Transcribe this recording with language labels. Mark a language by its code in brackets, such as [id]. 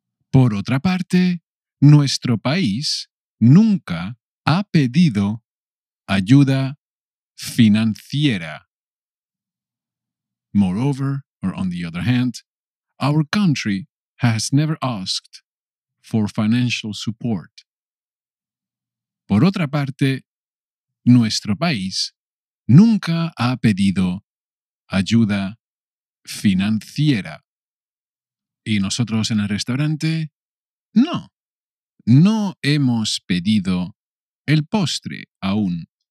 [es] Por otra parte, nuestro país nunca ha pedido ayuda financiera. [en] Moreover, or on the other hand, our country has never asked for financial support. [es] Por otra parte, nuestro país nunca ha pedido ayuda financiera. Y nosotros en el restaurante, no. No hemos pedido el postre aún.